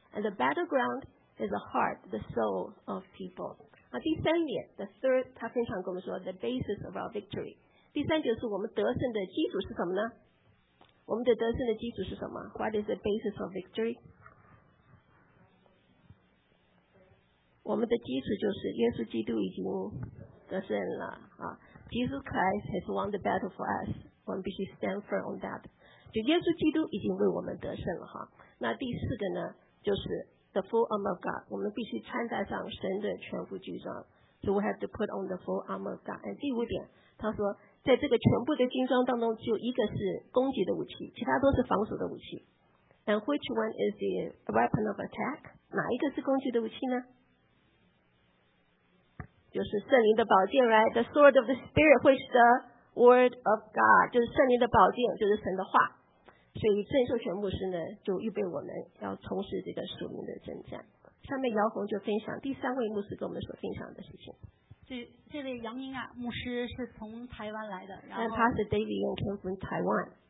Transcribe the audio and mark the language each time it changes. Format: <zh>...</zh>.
<en>And the battleground is the heart, the soul of people.</en> <zh>那第三点,</zh> <en>the third,</en> <zh>他非常跟我们说,</zh> <en>the basis of our victory.</en> <zh>第三点是我们得胜的基础是什么呢?我们的得胜的基础是什么?</zh> <en>What is the basis of victory?</en> <zh>我们的基础就是耶稣基督已经得胜了,</zh> <en>Jesus Christ has won the battle for us.</en> <zh>我们必须</zh> <en>stand firm on that.</en> <zh>就耶稣基督已经为我们得胜了, 那第四个呢, 就是</zh> <en>the full armor of God.</en> <zh>我们必须穿戴上神的全副军装.</zh> <en>So we have to put on the full armor of God.</en> <zh>And 第五点, 他说, 在这个全部的军装当中只有一个是攻击的武器, 其他都是防守的武器.</zh> <en>And which one is the weapon of attack?</en> <zh>哪一个是攻击的武器呢? 就是圣灵的宝剑, right?</zh> <en>The sword of the spirit, which is the word of God.</en> <zh>就是圣灵的宝剑, 就是神的话。所以郑秀全牧师呢,就预备我们要从事这个属灵的征战。下面姚红就分享第三位牧师跟我们所分享的事情。这位杨英啊,牧师是从台湾来的,</zh> <en>and Pastor David Yong came from Taiwan.</en>